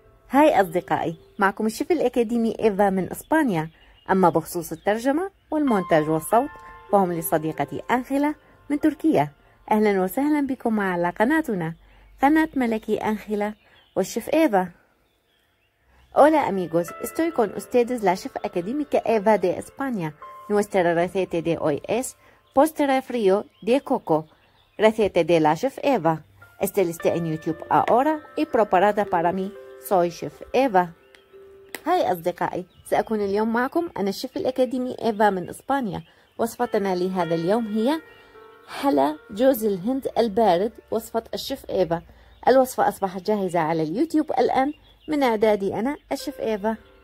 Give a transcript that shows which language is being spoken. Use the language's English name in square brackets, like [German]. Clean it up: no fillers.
[Arabic] هاي أصدقائي، معكم الشيف الأكاديمي إيفا من إسبانيا. أما بخصوص الترجمة والمونتاج والصوت فهم لصديقتي أنخلة من تركيا. أهلا وسهلا بكم على قناتنا، قناة ملكي أنخلة والشيف إيفا. [Spanish] Hola amigos, estoy con ustedes la chef académica Eva de España. Nuestra receta de hoy es postre frío de coco. Receta de la chef Eva. Está lista en YouTube ahora y preparada para mí. Soy chef Eva. [Arabic] Hi أصدقائي، سأكون اليوم معكم أنا الشيف الأكاديمي إيفا من إسبانيا. وصفتنا لهذا اليوم هي حلى جوز الهند البارد، وصفة الشيف إيفا. الوصفة أصبحت جاهزة على اليوتيوب الآن من إعدادي أنا الشيف إيفا.